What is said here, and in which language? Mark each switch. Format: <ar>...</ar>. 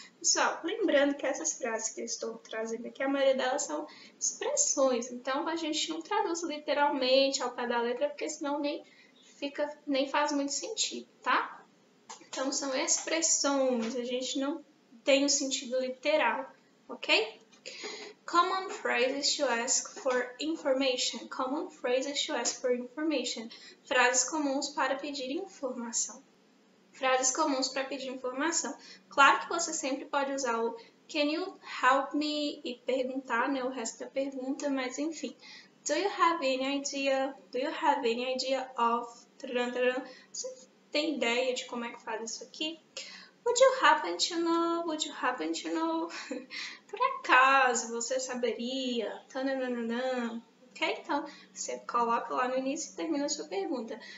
<pt>Pessoal, lembrando que essas frases que eu estou trazendo aqui, a maioria delas são expressões. Então, a gente não traduz literalmente ao pé da letra, porque senão nem faz muito sentido, tá? Então, são expressões. A gente não tem o sentido literal, ok?</pt> <en>Common phrases to ask for information. Common phrases to ask for information.</en> <pt>Frases comuns para pedir informação. Frases comuns para pedir informação. Claro que você sempre pode usar o</pt> <en>can you help me</en> <pt>e perguntar, né, o resto da pergunta, mas enfim.</pt> <en>Do you have any idea? Do you have any idea of?</en> <pt>Você tem ideia de como é que faz isso aqui?</pt> <en>Would you happen to know? Would you happen to know?</en> <pt>Por acaso você saberia? Tananana. Ok? Então, você coloca lá no início e termina a sua pergunta.</pt>